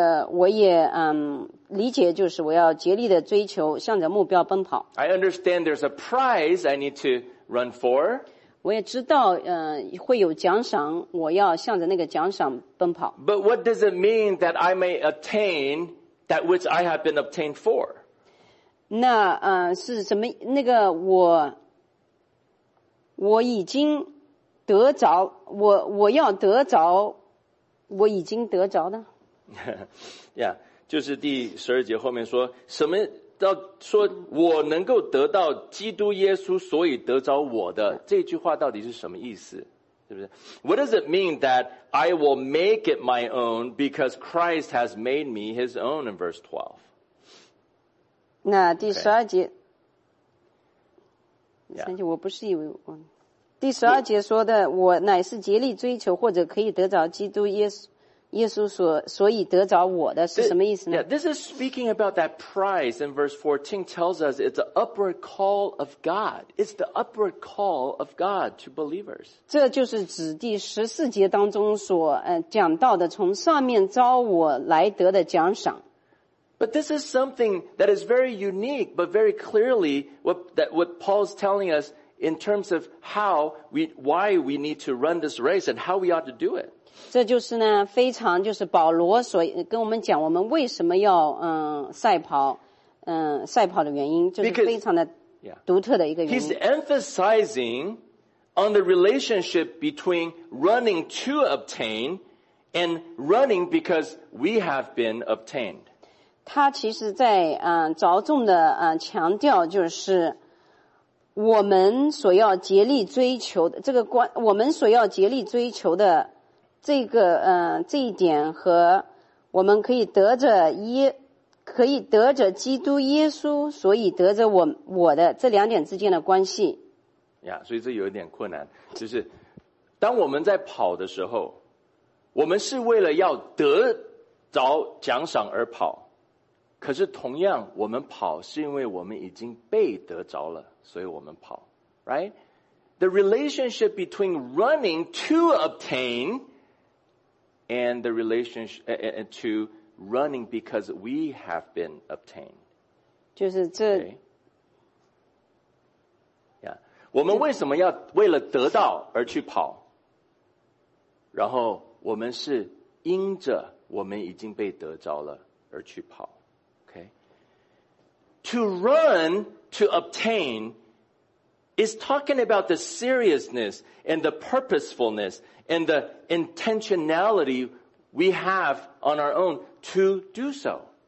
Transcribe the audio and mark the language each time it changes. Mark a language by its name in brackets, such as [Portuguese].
[Chinese] 我也理解就是我要竭力的追求向着目标奔跑。 [English] I understand there's a prize I need to run for. [Chinese] 我也知道会有奖赏，我要向着那个奖赏奔跑。 [English] But what does it mean that I may attain that which I have been obtained for? [Chinese] 那是什么那个我已经得着我要得着我已经得着的。 Yeah, 就是第十二节后面说什么到说我能够得到基督耶稣所以得着我的这句话到底是什么意思是不是 ? [English] What does it mean that I will make it my own because Christ has made me his own in verse 12? [Chinese] 那第十二节、okay. [English] Yeah. [Chinese] 我不是以为我第十二节说的我乃是竭力追求或者可以得着基督耶稣所以得着我的是什么意思呢 [English] yeah, This is speaking about that prize in verse 14 tells us it's the upward call of God. It's the upward call of God to believers. [Chinese] 这就是指第十四节当中所讲到的从上面召我来得的奖赏。 [English] But this is something that is very unique, but very clearly what Paul's telling us in terms of why we need to run this race and how we ought to do it. [Chinese] 这就是呢，非常就是保罗所跟我们讲，我们为什么要赛跑的原因，就是非常的独特的一个原因。 [English] Because, yeah. He's emphasizing on the relationship between running to obtain and running because we have been obtained. [Chinese] 他其实在着重的强调就是我们所要竭力追求的这个关我们所要竭力追求的这个这一点和我们可以得着基督耶稣所以得着我的这两点之间的关系。呀、yeah, 所以这有一点困难就是当我们在跑的时候我们是为了要得着奖赏而跑。可是同样我们跑是因为我们已经被得着了所以我们跑 right? [English] The relationship between running to obtain and the relationship to running because we have been obtained [Chinese] 就是这、 [English] okay? yeah. [Chinese] 我们为什么要为了得到而去跑 [English] 然后我们是因着我们已经被得着了而去跑To run to obtain is talking about the seriousness and the purposefulness and the intentionality we have on our own to do so.